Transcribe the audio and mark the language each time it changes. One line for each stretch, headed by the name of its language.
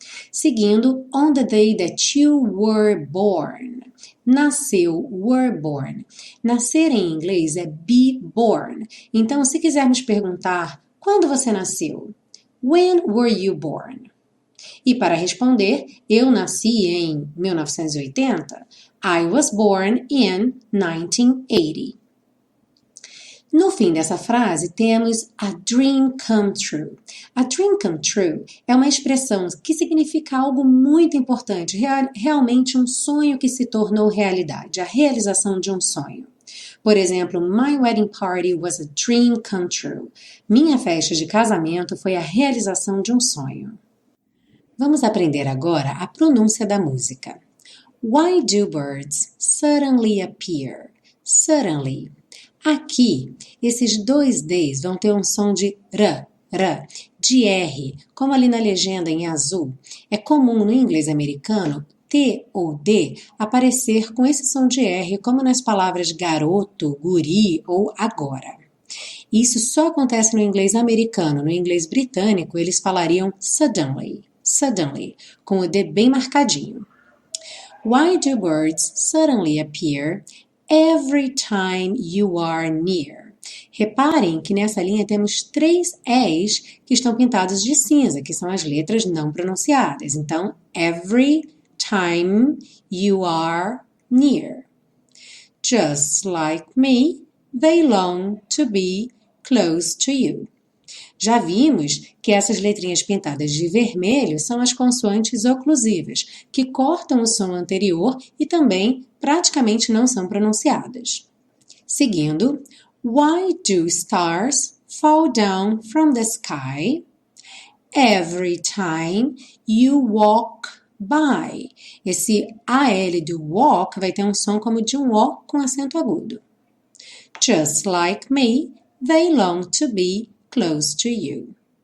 English: Seguindo, on the day that you were born.
Portuguese: Nasceu, were born. Nascer em inglês é be born. Então, se quisermos perguntar, quando você nasceu?
English: When were you born?
Portuguese: E para responder, eu nasci em 1980.
English: I was born in 1980.
Portuguese: No fim dessa frase, temos
English: a dream come true.
Portuguese: A dream come true é uma expressão que significa algo muito importante, realmente um sonho que se tornou realidade, a realização de um sonho. Por exemplo,
English: my wedding party was a dream come true.
Portuguese: Minha festa de casamento foi a realização de um sonho. Vamos aprender agora a pronúncia da música.
English: Why do birds suddenly appear? Suddenly.
Portuguese: Aqui, esses dois D's vão ter um som de R, R, de R, como ali na legenda em azul. É comum no inglês americano T ou D aparecer com esse som de R, como nas palavras garoto, guri ou agora. Isso só acontece no inglês americano. No inglês britânico, eles falariam suddenly, suddenly, com o D bem marcadinho.
English: Why do birds suddenly appear? Every time you are near.
Portuguese: Reparem que nessa linha temos três E's que estão pintados de cinza, que são as letras não pronunciadas.
English: Então, every time you are near. Just like me, they long to be close to you.
Portuguese: Já vimos que essas letrinhas pintadas de vermelho são as consoantes oclusivas, que cortam o som anterior e também praticamente não são pronunciadas.
English: Seguindo, why do stars fall down from the sky every time you walk by?
Portuguese: Esse AL do walk vai ter um som como de um O com acento agudo.
English: Just like me, they long to be close to you.